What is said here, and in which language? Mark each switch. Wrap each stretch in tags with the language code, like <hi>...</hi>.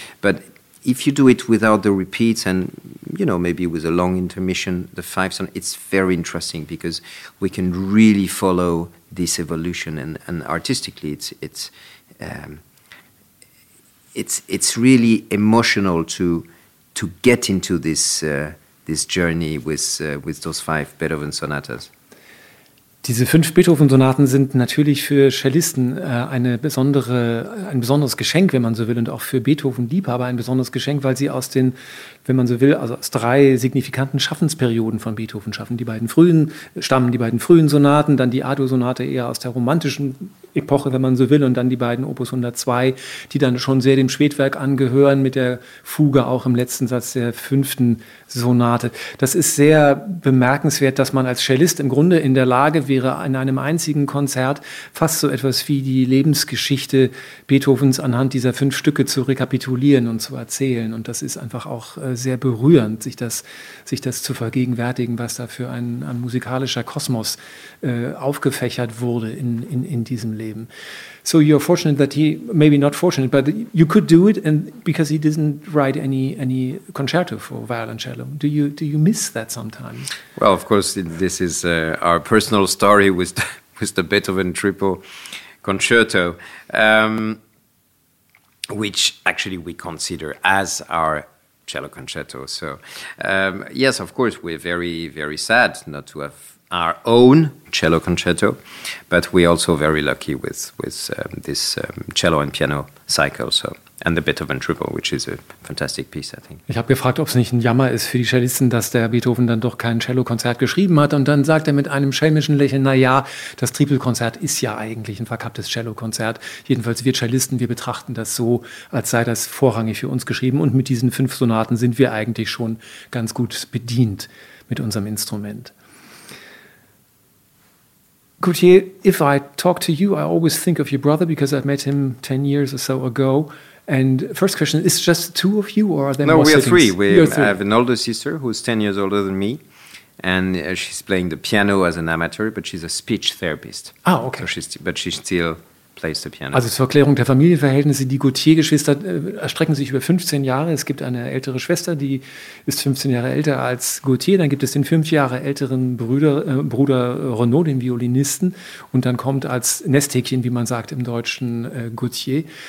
<en>But if you do it without the repeats, and you know, maybe with a long intermission, the 5 sonatas, it's very interesting, because we can really follow this evolution, and artistically it's really emotional to get into this journey with those 5 Beethoven sonatas.</en> <de>Diese 5 Beethoven Sonaten sind natürlich für Cellisten ein besonderes Geschenk, wenn man so will, und auch für Beethoven Liebhaber ein besonderes Geschenk, weil sie aus den, wenn man so will, also aus 3 signifikanten Schaffensperioden von Beethoven schaffen. Die beiden frühen Sonaten, dann die Ado Sonate eher aus der romantischen Epoche, wenn man so will, und dann die beiden Opus 102, die dann schon sehr dem Spätwerk angehören, mit der Fuge auch im letzten Satz der 5. Sonate. Das ist sehr bemerkenswert, dass man als Cellist im Grunde in der Lage wäre, in einem einzigen Konzert fast so etwas wie die Lebensgeschichte Beethovens anhand dieser 5 Stücke zu rekapitulieren und zu erzählen. Und das ist einfach auch sehr berührend, sich das zu vergegenwärtigen, was da für ein musikalischer Kosmos aufgefächert wurde in diesem Leben.</de> <en>So you're fortunate that he, maybe not fortunate, but you could do it, and because he didn't write any concerto for violoncello. Do you miss that sometimes? Well, of course, this is our personal story with the Beethoven triple concerto, which actually we consider as our cello concerto. So yes, of course, we're very, very sad not to have our own cello concerto, but we're also very lucky with this cello and piano cycle, so, and the Beethoven triple, which is a fantastic piece, I think.</en> <de>Ich habe gefragt, ob es nicht ein Jammer ist für die Cellisten, dass der Beethoven dann doch kein Cello-Konzert geschrieben hat, und dann sagt er mit einem schelmischen Lächeln, na ja, das Triple-Konzert ist ja eigentlich ein verkapptes Cello-Konzert. Jedenfalls wir Cellisten, wir betrachten das so, als sei das vorrangig für uns geschrieben, und mit diesen 5 Sonaten sind wir eigentlich schon ganz gut bedient mit unserem Instrument.</de> <en>Gautier, if I talk to you, I always think of your brother, because I've met him 10 years or so ago. And first question, is just 2 of you, or are there more siblings? No, we are 3. I have an older sister who's 10 years older than me, And she's playing the piano as an amateur, but she's a speech therapist. Ah, okay. So she still plays the piano.</en> <de>Also zur Erklärung der Familienverhältnisse, die Gautier-Geschwister erstrecken sich über 15 Jahre. Es gibt eine ältere Schwester, die ist 15 Jahre älter als Gautier. Dann gibt es den 5 Jahre älteren Bruder Renaud, den Violinisten. Und dann kommt als Nesthäkchen, wie man sagt im Deutschen, Gautier.</de>